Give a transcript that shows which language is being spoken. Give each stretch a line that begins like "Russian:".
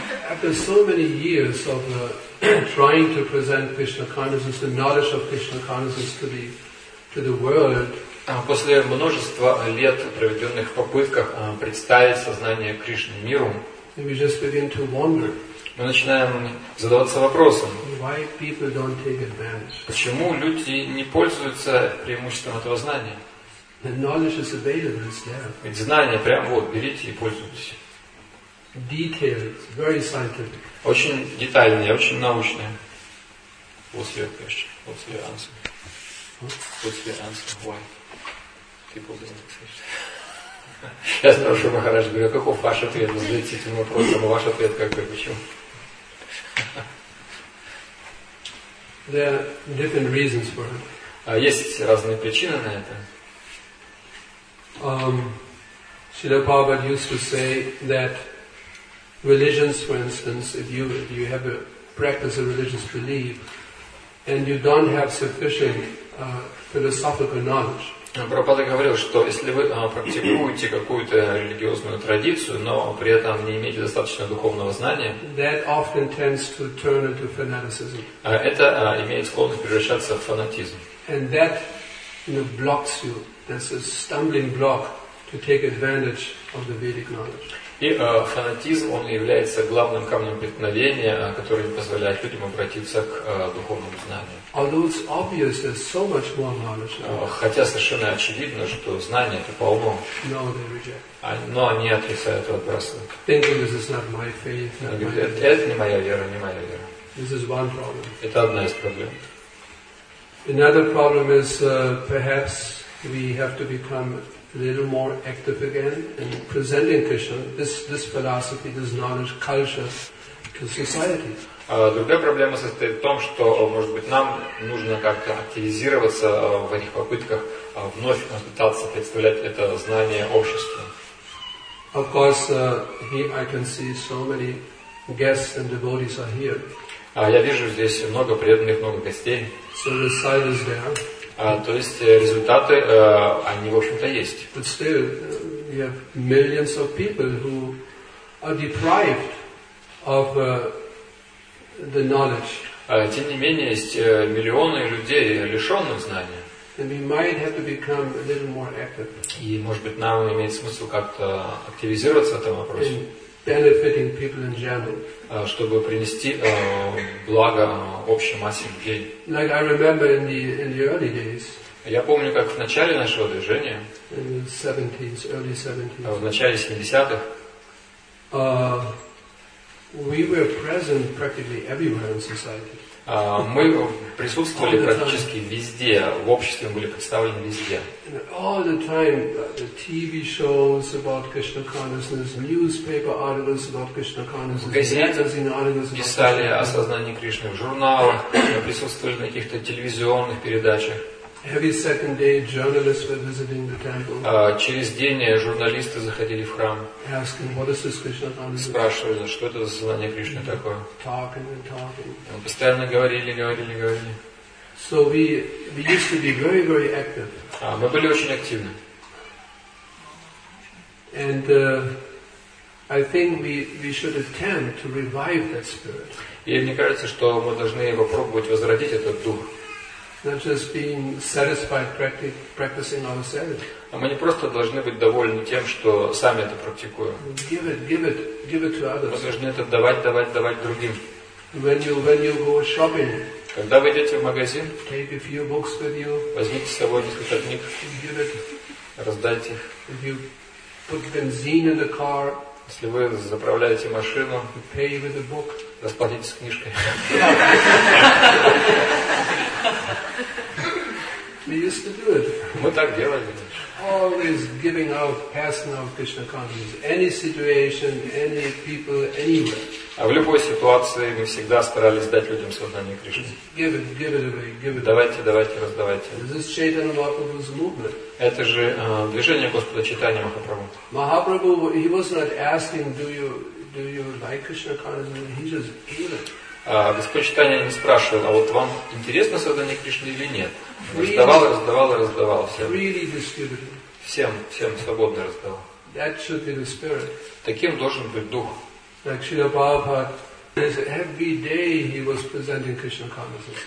English: After so many years of trying to present Krishna consciousness, the knowledge of Krishna consciousness to the world.
Russian: После множества лет, проведенных в попытках представить сознание Кришны миру,
English: we just begin to wonder,
Russian: мы начинаем задаваться вопросом,
English: why people don't take advantage?
Russian: Почему люди не пользуются преимуществом этого знания?
English: The knowledge is available, it's there.
Russian: Ведь знание прямо вот, берите и пользуйтесь.
English: Detailed, very scientific.
Russian: Очень детальное, очень научное.
English: What's your question? What's your answer? What's your answer? Why? People don't exist.
Russian: Я спрашиваю Махарадж, говорю, каков ваш ответ? Вы задаете этим вопросом, а ваш ответ какой? Почему?
English: There are different reasons for it.
Russian: Есть разные причины на это.
English: Srila Prabhupada used to say that religions, for instance, if you have a practice of religious belief and you don't have sufficient philosophical knowledge.
Russian: Прабхупада говорил, что если вы практикуете какую-то религиозную традицию, но при этом не имеете достаточно духовного знания,
English: that often tends to turn into fanaticism.
Russian: Это имеет склонность превращаться в фанатизм.
English: And that and it blocks you. That's a stumbling block to take advantage of the Vedic knowledge.
Russian: И фанатизм, он является главным камнем преткновения, который не позволяет людям обратиться к духовному знанию.
English: Although it's obvious, there's so much more knowledge.
Russian: Хотя совершенно очевидно, что знание это полно.
English: No, they reject.
Russian: Но они отрицают его просто.
English: Thinking this is not my faith.
Russian: Это не моя вера, не моя вера.
English: This is one problem.
Russian: Это одна из проблем.
English: Another problem is perhaps we have to become a little more active again in presenting Krishna, this philosophy, this knowledge, culture to society.
Russian: Другая проблема состоит в том, что, может быть, нам нужно как-то активизироваться в этих попытках вновь пытаться представлять это знание обществу.
English: Of course, here I can see so many guests and devotees are here.
Russian: Я вижу здесь много преданных, много гостей.
English: So the sight is there.
Russian: То есть результаты, они, в общем-то, есть.
English: But still, we have millions of people who are deprived of the knowledge.
Russian: Тем не менее, есть миллионы людей, лишённых знания.
English: And we might have to become a little more active.
Russian: И, может быть, нам имеет смысл как-то активизироваться в этом вопросе.
English: Benefiting people in general.
Russian: Чтобы принести благо общей массе людей.
English: Like I remember in the early days.
Russian: Я помню, как в начале нашего движения.
English: In the 70s, early 70s.
Russian: В начале 70-х.
English: We were present practically everywhere in society.
Russian: Мы присутствовали практически везде, в обществе мы были представлены везде.
English: All the time, the TV shows about Krishna consciousness, newspaper articles about Krishna consciousness, articles about
Russian: писали о сознании Кришны в журналах, мы присутствовали на каких-то телевизионных передачах.
English: Every second day, journalists were visiting the temple.
Russian: Через день журналисты заходили в храм.
English: Asking, what is this Krishna consciousness?
Russian: Спрашивали, что это за знание Кришны такое.
English: Talking and talking.
Russian: Постоянно говорили.
English: So we used to be very, very active.
Russian: Мы были очень активны.
English: And I think we should attempt to revive that spirit.
Russian: И мне кажется, что мы должны попробовать возродить этот дух.
English: Not just being satisfied practicing ourselves.
Russian: А мы не просто должны быть довольны тем, что сами это практикуем.
English: Give it to others.
Russian: Мы должны это давать другим.
English: When you go shopping.
Russian: Когда вы идете в магазин.
English: Take a few books with you.
Russian: Возьмите с собой несколько книг.
English: Give it.
Russian: Раздайте их.
English: If you put benzene in the car.
Russian: Если вы заправляете машину.
English: Pay with a book.
Russian: Расплатитесь книжкой.
English: We used to do it.
Russian: Мы так делали.
English: Always giving out, passing out Krishna consciousness. Any situation, any people, anywhere.
Russian: А в любой ситуации мы всегда старались дать людям сознание Кришны.
English: Give it away.
Russian: Давайте, раздавайте.
English: This is Chaitanya Mahaprabhu's movement.
Russian: Это же движение Господа Чайтаньи Махапрабху.
English: Mahaprabhu, he was not asking, do you like Krishna consciousness? He just gave it.
Russian: Господь Чайтанья не спрашивал, а вот вам интересно сознание Кришны или нет? Раздавал всем.
English: Really distributed.
Russian: Всем свободно раздавал.
English: That should be the spirit.
Russian: Таким должен быть дух.
English: Like Srila Prabhupada, every day he was presenting Krishna consciousness.